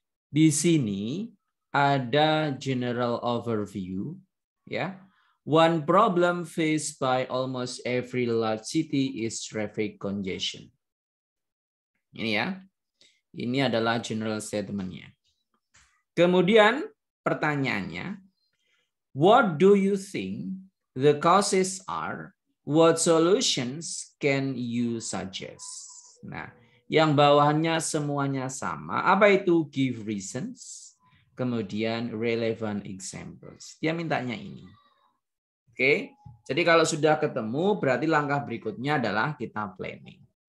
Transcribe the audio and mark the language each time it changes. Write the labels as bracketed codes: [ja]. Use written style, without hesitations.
[id] Di sini ada general overview, ya. [en] One problem faced by almost every large city is traffic congestion. [id] Ini ya. Ini adalah general statement-nya. Kemudian pertanyaannya, [en] what do you think the causes are? What solutions can you suggest? [id] Nah, yang bawahnya semuanya sama. Apa itu [en] give reasons? [id] Kemudian [en] relevant examples. [id] Dia mintanya ini. Oke. Jadi kalau sudah ketemu, berarti langkah berikutnya adalah kita planning.